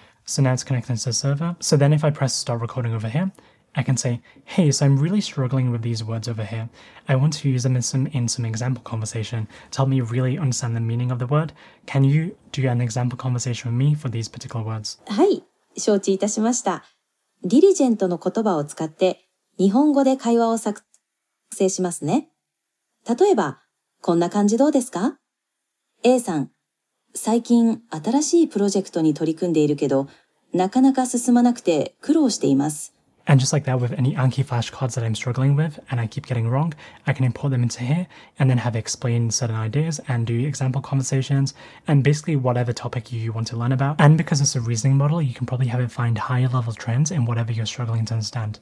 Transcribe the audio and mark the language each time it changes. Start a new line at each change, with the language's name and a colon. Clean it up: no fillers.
English: So now it's connected to the server. So then if I press start recording over here, I can say, hey, so I'm really struggling with these words over here. I want to use them in some example conversation to help me really understand the meaning of the word. Can you do an example conversation with me for these particular words?
Japanese: はい、承知いたしました。ディリジェントの言葉を使って日本語で会話を作成しますね。例えば、こんな感じどうですか?A さん、最近新しいプロジェクトに取り組んでいるけど、なかなか進まなくて苦労しています。
English: And just like that, with any Anki flashcards that I'm struggling with, and I keep getting wrong, I can import them into here, and then have explained certain ideas, and do example conversations, and basically whatever topic you want to learn about. And because it's a reasoning model, you can probably have it find higher level trends in whatever you're struggling to understand.